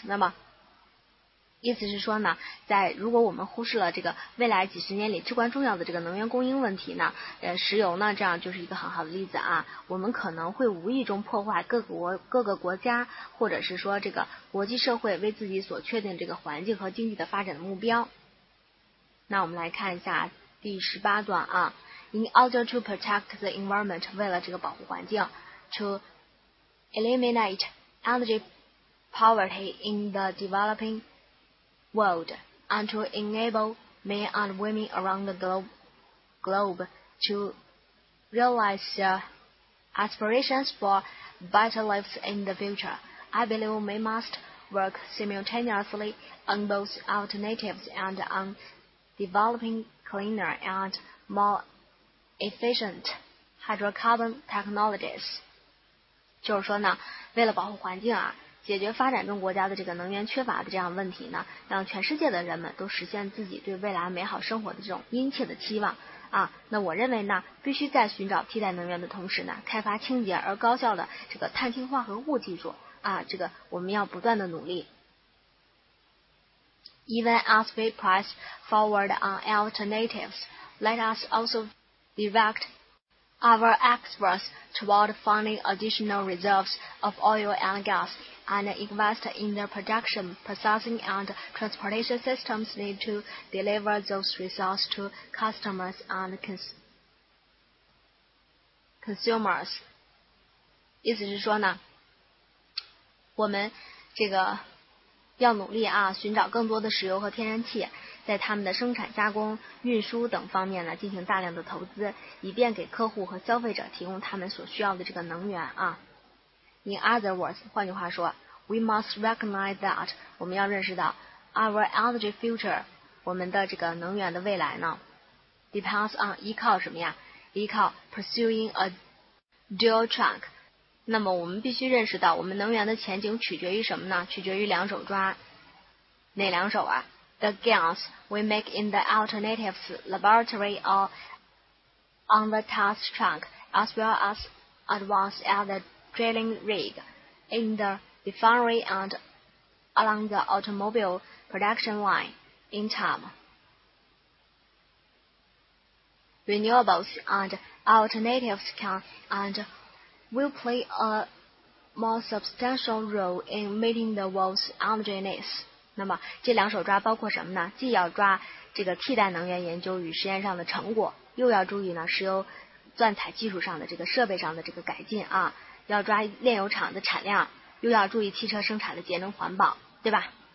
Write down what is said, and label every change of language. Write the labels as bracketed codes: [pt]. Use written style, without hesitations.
[zh] 那么意思是说呢，在如果我们忽视了这个未来几十年里至关重要的这个能源供应问题呢，石油呢，这样就是一个很好的例子啊。我们可能会无意中破坏各个国家或者是说这个国际社会为自己所确定这个环境和经济的发展的目标。那我们来看一下第十八段啊 [en] ，In order to protect the environment， [zh] 为了这个保护环境 [en] ，to eliminate energy poverty in the developingworld and to enable men and women around the globe to realize their aspirations for better lives in the future. I believe we must work simultaneously on both alternatives and on developing cleaner and more efficient hydrocarbon technologies. [zh] 就是说呢，为了保护环境啊，解决发展中国家的这个能源缺乏的这样问题呢，让全世界的人们都实现自己对未来美好生活的这种殷切的期望啊。那我认为呢，必须在寻找替代能源的同时呢，开发清洁而高效的这个碳氢化合物技术啊，这个我们要不断的努力。 [en] Even as we press forward on alternatives, let us also direct our efforts toward finding additional reserves of oil and gas and invest in the production, processing, and transportation systems need to deliver those results to customers and consumers. [zh] 意思是说呢，我们这个要努力啊，寻找更多的石油和天然气，在他们的生产、加工、运输等方面呢，进行大量的投资，以便给客户和消费者提供他们所需要的这个能源啊。 [en] In other words， [zh] 换句话说 [en] ，we must recognize that， [zh] 我们要认识到 [en] ，our energy future， [zh] 我们的这个能源的未来呢 [en] ，depends on [zh] 依靠什么呀？依靠 [en] pursuing a dual track。 [zh] 那么我们必须认识到，我们能源的前景取决于什么呢？取决于两手抓，哪两手啊 ？ [en] The gains we make in the alternatives laboratory or on the test track, as well as advance at the drilling rig, in the refinery and along the automobile production line in time. Renewables and alternatives can andwill play a more substantial role in meeting the world's energy needs. [zh] 那么这两手抓包括什么呢？既要抓这个替代能源研究与实验上的成果，又要注意呢石油钻采技术上的这个设备上的这个改进啊，要抓炼油厂的产量，又要注意汽车生产的节能环保，对吧？